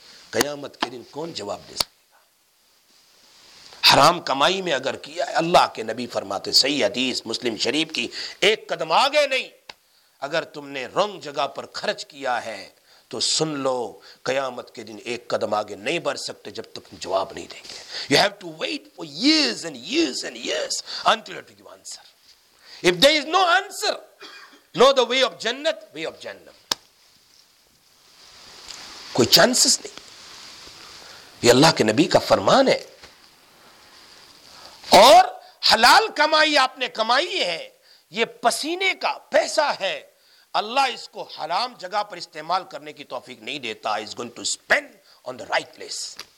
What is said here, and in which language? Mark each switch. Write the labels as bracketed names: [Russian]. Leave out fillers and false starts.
[Urdu] قیامت کے دن کون جواب دے سکتا؟ حرام کمائی میں اگر کیا ہے, اللہ کے نبی فرماتے صحیح حدیث مسلم شریف کی, ایک قدم آگے نہیں. اگر تم نے رنگ جگہ پر خرچ کیا ہے تو سن لو, قیامت کے دن ایک قدم آگے نہیں بڑھ سکتے جب تک تم جواب نہیں دیں گے. [English] You have to wait for years and years and years until you give answer. If there is no answer, no the way of جنت, way of جہنم, [Urdu] کوئی چانسز نہیں. یہ اللہ کے نبی کا فرمان ہے. اور حلال کمائی آپ نے کمائی ہے, یہ پسینے کا پیسہ ہے, اللہ اس کو حرام جگہ پر استعمال کرنے کی توفیق نہیں دیتا. [English] Is going to spend on the right place.